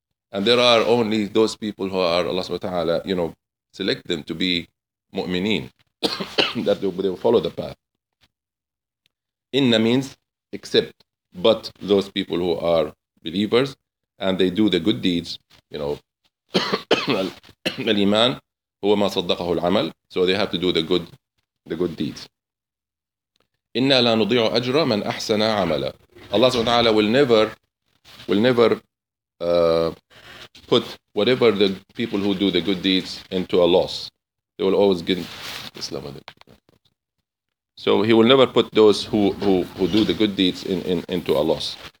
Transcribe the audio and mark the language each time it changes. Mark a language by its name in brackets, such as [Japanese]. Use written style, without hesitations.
[English] And there are only those people who are, Allah subhanahu wa ta'ala, you know, select them to be mu'mineen, that they will follow the path. Inna means except, but those people who are believers and they do the good deeds, you know, [Arabic] al-iman huwa ma saddaqahu al-amal, [English] so they have to do the good deeds. [Arabic] إِنَّا لَا نُضِيعُ أَجْرَ مَنْ أَحْسَنَ عَمَلًا. [English] Allah subhanahu wa ta'ala will never put whatever the people who do the good deeds into a loss. They will always get Islam. So he will never put those who do the good deeds into a loss.